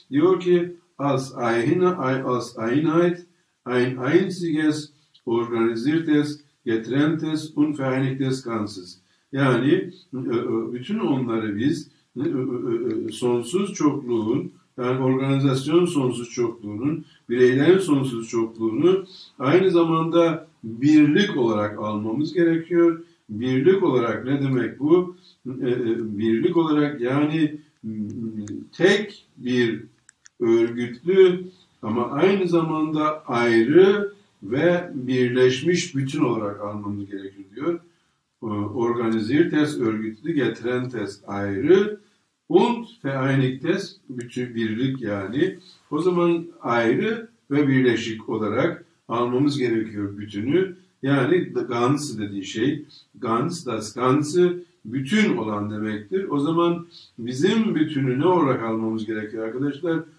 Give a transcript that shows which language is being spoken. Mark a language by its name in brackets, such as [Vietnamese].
[Turkish] Diyor ki, [German] als Einheit, ein einziges, organisiertes, getrenntes und vereinigtes Ganzes. [Turkish] Yani bütün onları biz sonsuz çokluğun, yani organizasyon sonsuz çokluğunun, bireylerin sonsuz çokluğunu aynı zamanda birlik olarak almamız gerekiyor. Birlik olarak ne demek bu? Birlik olarak, yani tek bir örgütlü ama aynı zamanda ayrı ve birleşmiş bütün olarak almamız gerekiyor diyor. Organisiertes, örgütlü, getrenntes, ayrı. Und vereinigtes, bütün birlik yani. O zaman ayrı ve birleşik olarak almamız gerekiyor bütünü. Yani the ganz dediği şey, ganz, das ganze, bütün olan demektir. O zaman bizim bütünü ne olarak almamız gerekiyor arkadaşlar?